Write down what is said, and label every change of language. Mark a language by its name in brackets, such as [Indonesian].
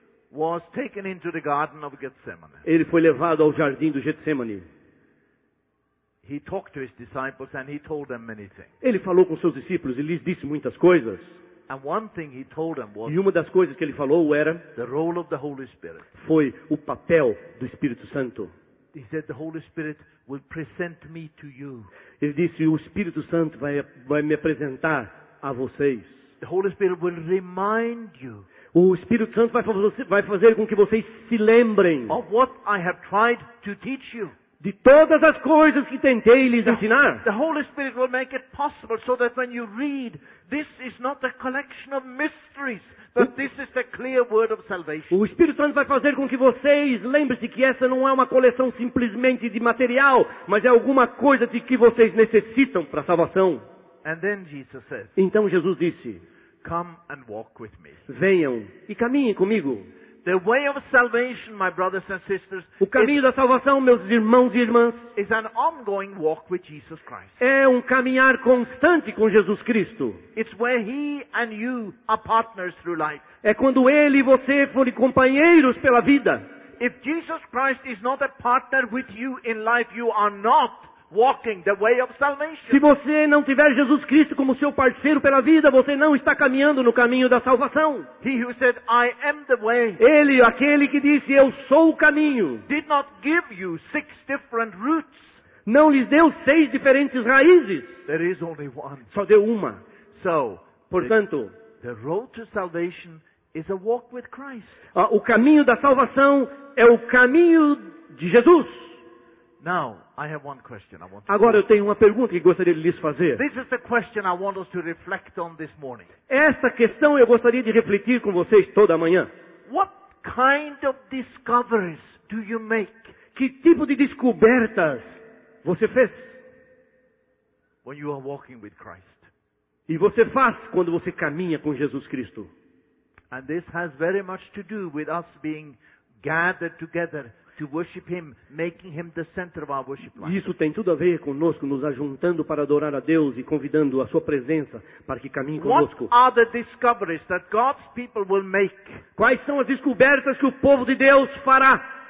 [English] Was taken into the garden of Gethsemane. [Portuguese] Ele foi levado ao jardim do Getsemane. [English] He talked to his disciples and he told them many things. [Portuguese] Ele falou com seus discípulos e lhes disse muitas coisas. [English] And one thing he told them was [Portuguese] e uma das coisas que ele falou era [English] the role of the Holy Spirit. [Portuguese] Foi o papel do Espírito Santo. [English] He said the Holy Spirit will present me to you. [Portuguese] Ele disse o Espírito Santo vai me apresentar a vocês. [English] The Holy Spirit will remind you. [Portuguese] O Espírito Santo vai fazer com que vocês se lembrem [English] of what I have tried to teach you. [Portuguese] De todas as coisas que tentei lhes ensinar. [English] The Holy Spirit will make it possible so that when you read, this is not a collection of mysteries, but this is the clear word of salvation. [Portuguese] O Espírito Santo vai fazer com que vocês lembrem-se que essa não é uma coleção simplesmente de material, mas é alguma coisa de que vocês necessitam para a salvação. [English] And then Jesus says, [Portuguese] então Jesus disse, [English] come and walk with me. [Portuguese] Venham e caminhem comigo. [English] The way of salvation, my brothers and sisters, [Portuguese] o caminho da salvação, meus irmãos e irmãs, [English] is an ongoing walk with Jesus Christ. [Portuguese] É caminhar constante com Jesus Cristo. [English] It's where he and you are partners through life. [Portuguese] É quando ele e você forem companheiros pela vida. [English] If Jesus Christ is not a partner with you in life, you are not walking the way of salvation. [Portuguese] Se você não tiver Jesus Cristo como seu parceiro pela vida, você não está caminhando no caminho da salvação. [English] He who said, I am the way, [Portuguese] ele, aquele que disse, eu sou o caminho, [English] did not give you six different roots. [Portuguese] Não lhes deu seis diferentes raízes. [English] There is only one. [Portuguese] Só deu uma. [English] So, [Portuguese] Portanto, [English] the road to salvation is a walk with Christ. [Portuguese] O caminho da salvação é o caminho de Jesus. [English] Now, I have one question I want to [Portuguese] Agora eu tenho uma pergunta que gostaria de lhes fazer. [English] This is the question I want us to reflect on this morning. [Portuguese] Essa questão eu gostaria de refletir com vocês toda manhã. [English] What kind of discoveries do you make? [Portuguese] Que tipo de descobertas você fez? [English] When you are walking with Christ. [Portuguese] E você faz quando você caminha com Jesus Cristo. [English] And this has very much to do with us being gathered together to worship him, making him the center of our worship life. [Portuguese] Isso tem tudo a ver conosco, nos ajuntando para adorar a Deus e convidando a sua presença para que caminhe conosco. [English] What are the discoveries that God's people will make? [Portuguese] Quais são as descobertas que o povo de Deus fará